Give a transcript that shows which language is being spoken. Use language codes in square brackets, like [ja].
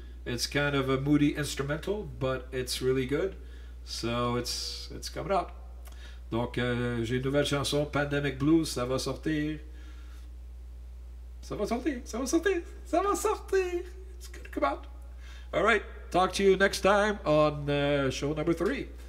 [en] It's kind of a moody instrumental, but it's really good. So, it's coming up. [fr] Donc, j'ai une nouvelle chanson, Pandemic Blues, ça va sortir. Ça va sortir, ça va sortir, ça va sortir. [en] It's gonna come out. All right, talk to you next time on show number 3.